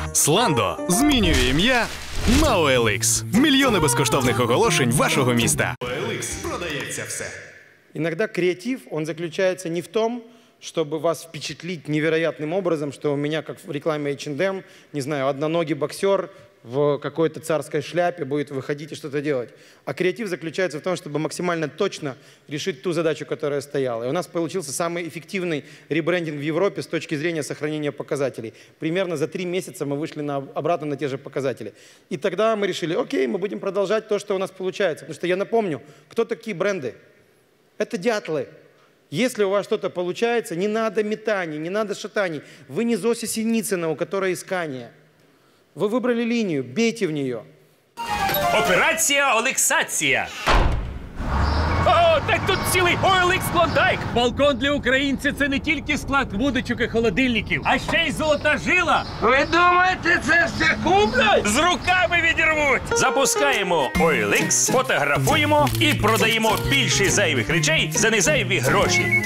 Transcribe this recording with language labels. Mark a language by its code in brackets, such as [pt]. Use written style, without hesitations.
[uk] Сландо змінює ім'я на OLX. Мільйони безкоштовних оголошень вашого міста. OLX продається все. [ru] Іноді креатив, він заключається не в тому, чтобы вас впечатлить невероятным образом, что у меня, как в рекламе H&M, не знаю, одноногий боксер в какой-то царской шляпе будет выходить и что-то делать. А креатив заключается в том, чтобы максимально точно решить ту задачу, которая стояла. И у нас получился самый эффективный ребрендинг в Европе с точки зрения сохранения показателей. Примерно за 3 месяца мы вышли обратно на те же показатели. И тогда мы решили, окей, мы будем продолжать то, что у нас получается. Потому что я напомню, кто такие бренды? Это дятлы. Если у вас что-то получается, не надо метаний, не надо шатаний. Вы не Зося Синицына, у которой искание. Вы выбрали линию, бейте в нее. [uk] Операция Олексация. О, так тут цілий OLX Клондайк. Балкон для українця – це не тільки склад водичок і холодильників, а ще й золота жила. Ви думаєте, це все куплять? З руками відірвуть. Запускаємо OLX, фотографуємо і продаємо більше зайвих речей за незайві гроші.